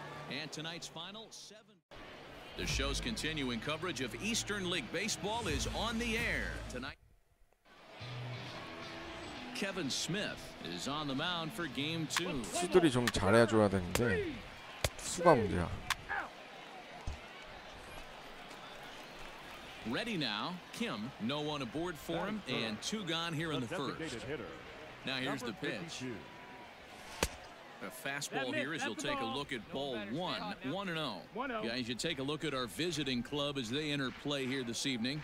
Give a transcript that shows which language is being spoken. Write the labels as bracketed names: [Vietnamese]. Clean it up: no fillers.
[English] And tonight's final seven. The show's continuing coverage of Eastern League Baseball is on the air tonight. Kevin Smith is on the mound for game 2. [Korean] 투수들이 좀 잘해줘야 되는데 투수가 문제야. [English] Ready now. Kim, no one aboard for him and two gone here in the first. Now here's the pitch. A fastball here as you'll take a look at ball 1, 1-0. Guys, you take a look at our visiting club as they enter play here this evening.